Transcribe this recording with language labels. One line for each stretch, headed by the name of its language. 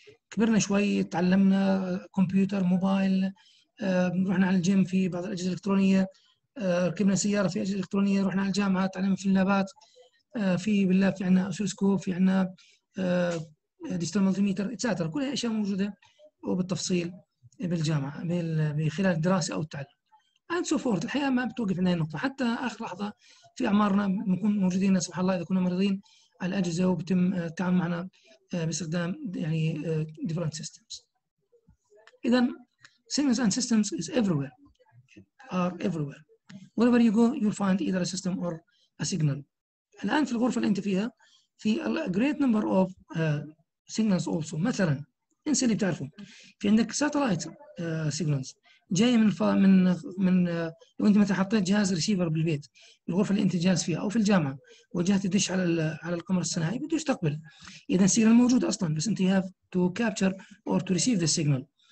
Arabic: كبرنا شوي تعلمنا كمبيوتر موبايل، رحنا على الجيم في بعض الأجهزة الإلكترونية، ركبنا سيارة في أجهزة إلكترونية، رحنا على الجامعة تعلمنا في اللابات، في باللاب في عنا أوسيلوسكوب، في عنا ديجيتال مالتيميتر إتساتر، كل هاي أشياء موجودة وبالتفصيل بالجامعة بخلال الدراسة أو التعلم. أند سو فورت، الحياة ما بتوقف عند هاي النقطة، حتى آخر لحظة في أعمارنا بنكون موجودين لا سمح الله إذا كنا مريضين على الأجهزة، وبتم التعامل معنا باستخدام يعني ديفرنت سيستمز.
English: إذا Signals and systems is everywhere, are everywhere. Wherever you go, you'll find either a system or a signal.
Arabic: الآن في الغرفة اللي أنت فيها في
English: a great number of signals also.
Arabic: مثلا انسى اللي بتعرفه، في عندك satellite signals جاي من من من لو أنت مثلا حطيت جهاز ريسيفر بالبيت الغرفة اللي أنت جالس فيها أو في الجامعة، وجهت تدش على القمر الصناعي بده يستقبل، إذا signal موجود أصلا، بس أنت
English: have to capture or to receive the signal.